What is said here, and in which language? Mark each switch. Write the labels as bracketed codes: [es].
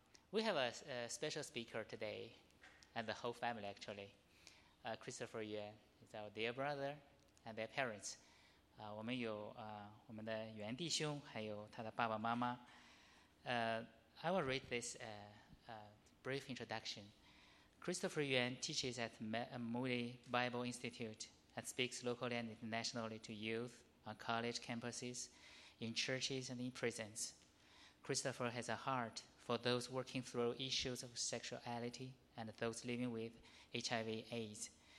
[en] We have a special speaker today, and the whole family actually. Christopher Yuan is our dear brother, and their parents. [zh] 我们有我们的原弟兄，还有他的爸爸妈妈。 [en] I will read this brief introduction. Christopher Yuan teaches at Moody Bible Institute and speaks locally and internationally to youth on college campuses, in churches, and in prisons. Christopher has a heart for those working through issues of sexuality and those living with HIV/AIDS.